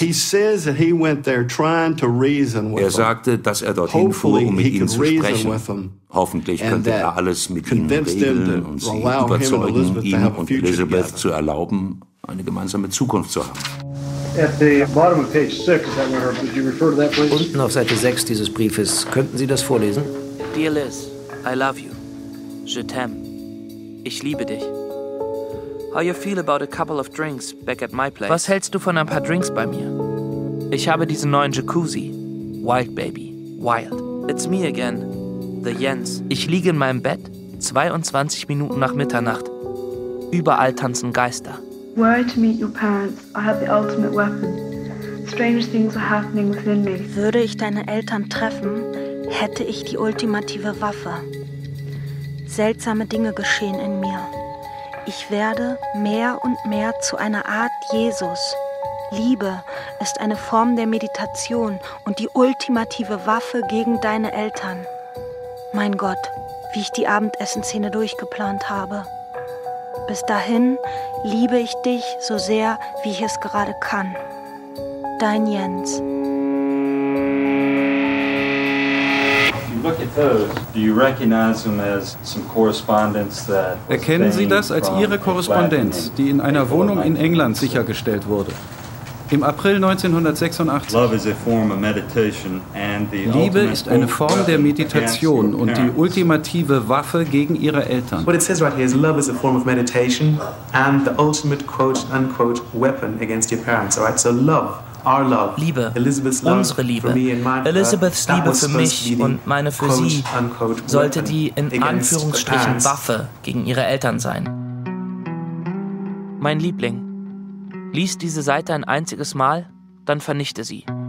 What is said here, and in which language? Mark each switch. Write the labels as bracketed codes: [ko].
[en] He says that he went there trying to reason with them. [de] Er sagte, dass er dorthin fuhr, um mit ihnen zu sprechen. Hoffentlich könnte er alles mit ihnen regeln und sie überzeugen, ihm und Elizabeth zu erlauben, eine gemeinsame Zukunft zu haben. [en] At the bottom of page 6, is that where, did you refer to that, please? [de] Unten auf Seite 6 dieses Briefes, könnten Sie das vorlesen? [en] Dear Liz, I love you. [fr] Je t'aime. [de] Ich liebe dich. [en] How you feel about a couple of drinks back at my place? [de] Was hältst du von ein paar Drinks bei mir? Ich habe diesen neuen Jacuzzi. [en] Wild Baby. Wild. It's me again. The Jens. [de] Ich liege in meinem Bett, 22 Minuten nach Mitternacht. Überall tanzen Geister. [en] Were I to meet your parents, I have the ultimate weapon. Strange things are happening within me. [de] Würde ich deine Eltern treffen, hätte ich die ultimative Waffe. Seltsame Dinge geschehen in mir. Ich werde mehr und mehr zu einer Art Jesus. Liebe ist eine Form der Meditation und die ultimative Waffe gegen deine Eltern. Mein Gott, wie ich die Abendessenszene durchgeplant habe. Bis dahin liebe ich dich so sehr, wie ich es gerade kann. Dein Jens. Erkennen Sie das als Ihre Korrespondenz, die in einer Wohnung in England sichergestellt wurde? Im April 1986. Liebe ist eine Form der Meditation und die ultimative Waffe gegen ihre Eltern. [en] What it says right here is love is a form of meditation and the ultimate quote unquote weapon against your parents. All right, so love. Our love, [de] Liebe, unsere Liebe, Elizabeths Liebe für mich und meine für sie, sollte die in Anführungsstrichen Waffe gegen ihre Eltern sein. Mein Liebling, lies diese Seite ein einziges Mal, dann vernichte sie.